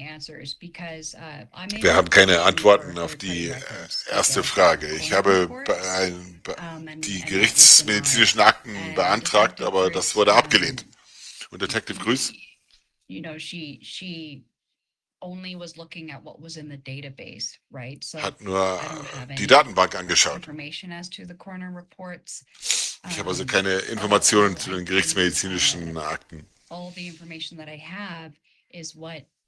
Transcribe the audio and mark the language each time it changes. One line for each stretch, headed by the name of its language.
German: Wir haben keine Antworten auf die erste Frage. Ich habe die gerichtsmedizinischen Akten beantragt, aber das wurde abgelehnt. Und Detective Grüß?
English: She only was looking at what was in the database, right?
German: So hat nur die Datenbank angeschaut. Ich habe also keine Informationen zu den gerichtsmedizinischen Akten.
English: All the information that I have is what.